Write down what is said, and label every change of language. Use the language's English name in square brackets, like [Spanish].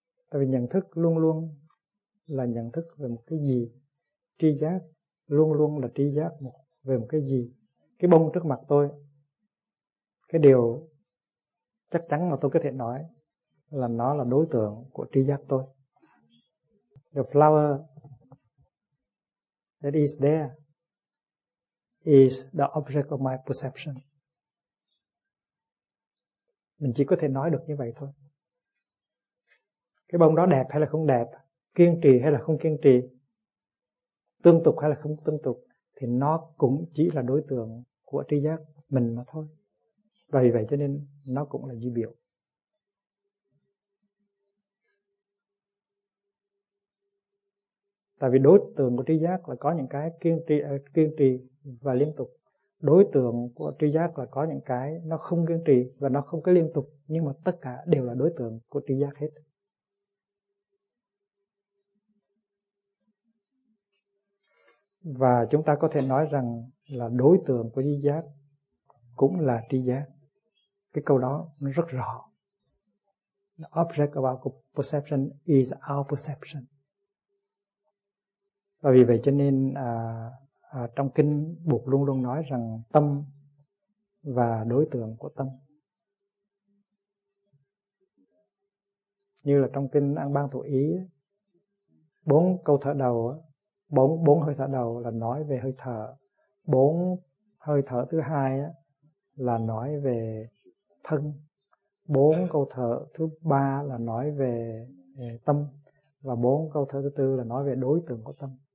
[Vietnamese] Tại vì nhận thức luôn luôn là nhận thức về một cái gì, tri giác luôn luôn là tri giác về một cái gì. Cái bông trước mặt tôi, cái điều chắc chắn mà tôi có thể nói là nó là đối tượng của tri giác tôi. [English] The flower that is there is the object of my perception. [Vietnamese] Mình chỉ có thể nói được như vậy thôi. Cái bông đó đẹp hay là không đẹp, kiên trì hay là không kiên trì, tương tục hay là không tương tục, thì nó cũng chỉ là đối tượng của tri giác mình mà thôi. Và vì vậy cho nên nó cũng là duy biểu. Tại vì đối tượng của tri giác là có những cái kiên trì và liên tục. Đối tượng của tri giác là có những cái nó không kiên trì và nó không có liên tục, nhưng mà tất cả đều là đối tượng của tri giác hết. Và chúng ta có thể nói rằng là đối tượng của tri giác cũng là tri giác. Cái câu đó nó rất rõ. [English] The object of our perception is our perception. [Vietnamese] Và vì vậy cho nên trong kinh Bụt luôn luôn nói rằng tâm và đối tượng của tâm. Như là trong kinh An Bang Thủ Ý, bốn câu thở đầu á, bốn hơi thở đầu là nói về hơi thở, bốn hơi thở thứ hai á là nói về thân, bốn câu thở thứ ba là nói về tâm, và bốn câu thở thứ tư là nói về đối tượng của tâm.